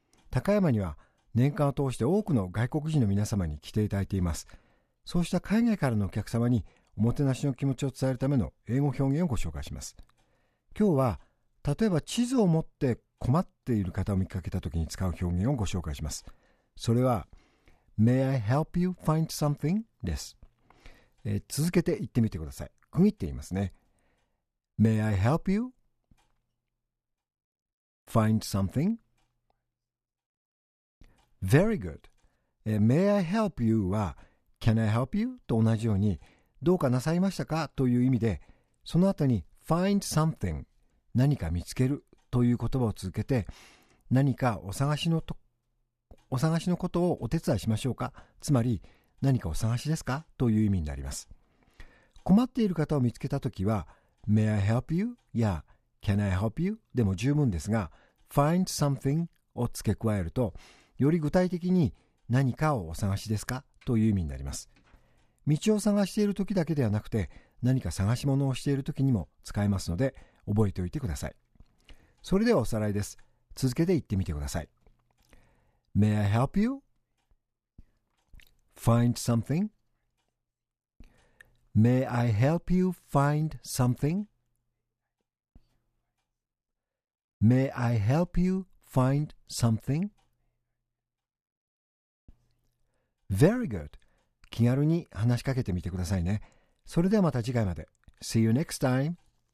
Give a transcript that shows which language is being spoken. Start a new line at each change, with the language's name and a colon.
Japanese: 高山には年間を通して多くの外国人の皆様に来ていただいています。そうした海外からのお客様におもてなしの気持ちを伝えるための英語表現をご紹介します。今日は、例えば地図を持って困っている方を見かけた時に使う表現をご紹介します。それは、
English: May I help you find something?
Japanese: です。続けて言ってみてください。区切って言いますね。
English: May I help you find something? Very good. May I help you は、Can I help you?
Japanese: と同じように、どうかなさいましたかという意味で、その後に find something、何か見つけるという言葉を続けて、何かお探しのことをお手伝いしましょうか、つまり何かお探しですかという意味になります。困っている方を見つけたときは、
English: May I help you? や Can I help you?
Japanese: でも十分ですが、Find something を付け加えると、より具体的に何かをお探しですかという意味になります。道を探しているときだけではなくて、何か探し物をしているときにも使えますので、覚えておいてください。それではおさらいです。続けて言ってみてください。
English: May I help you? Find something? May I help you find something? May I help you find something? Very good.
Japanese: 気軽に話しかけてみてくださいね。それではまた次回まで。
English: See you next time.